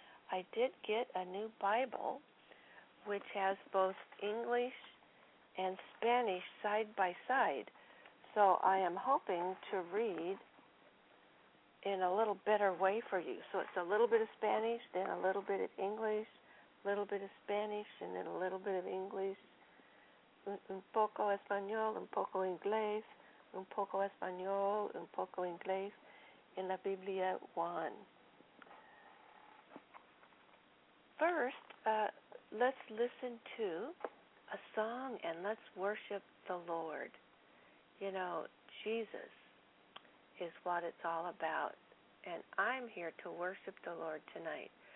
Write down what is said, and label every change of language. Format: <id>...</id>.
<en>I did get a new Bible, which has both English and Spanish side by side. So I am hoping to read in a little better way for you. So it's a little bit of Spanish, then a little bit of English, a little bit of Spanish, and then a little bit of English.</en> <es>Un poco español, un poco inglés, un poco español, un poco inglés, en la Biblia Juan.</es> <en>First, let's listen to a song and let's worship the Lord. You know, Jesus is what it's all about, and I'm here to worship the Lord tonight.</en>